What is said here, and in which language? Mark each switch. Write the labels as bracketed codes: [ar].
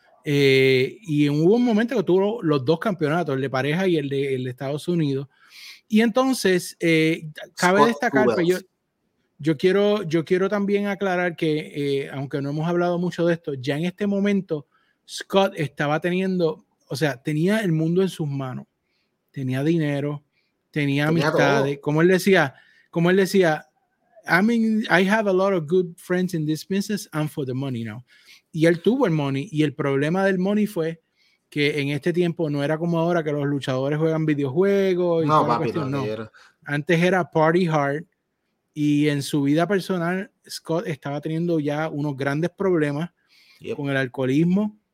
[es] Y hubo un momento que tuvo los dos campeonatos, el de pareja y el de Estados Unidos. Y entonces, cabe Scott destacar, pero yo, Yo quiero también aclarar que, aunque no hemos hablado mucho de esto, ya en este momento Scott estaba teniendo, o sea, tenía el mundo en sus manos. Tenía dinero, tenía amistades. Todo. Como él decía, [en] I have a lot of good friends in this business and for the money now. [es] Y él tuvo el money. Y el problema del money fue que en este tiempo no era como ahora que los luchadores juegan videojuegos. Y no, papi, no. Antes era [en] party hard. [es] Y en su vida personal, Scott estaba teniendo ya unos grandes problemas con el alcoholismo.